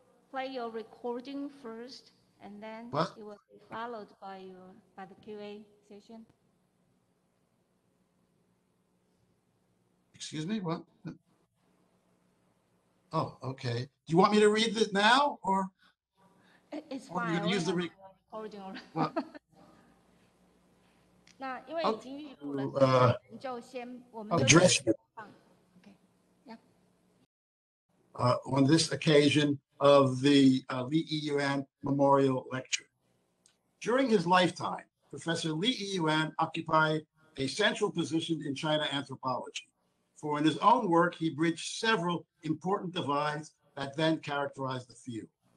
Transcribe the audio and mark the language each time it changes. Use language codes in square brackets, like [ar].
[en] Play your recording first, and then what? It will be followed by the QA session. Excuse me, what? Oh, okay. Do you want me to read it now, or? It's fine. Or you can use the recording. [zh] Well, 那因为已经预录了，我们就先我们就先放。 [en] On this occasion of the Li Yih Memorial Lecture. During his lifetime, Professor Li Yih occupied a central position in China anthropology, for in his own work, he bridged several important divides that then characterized the field.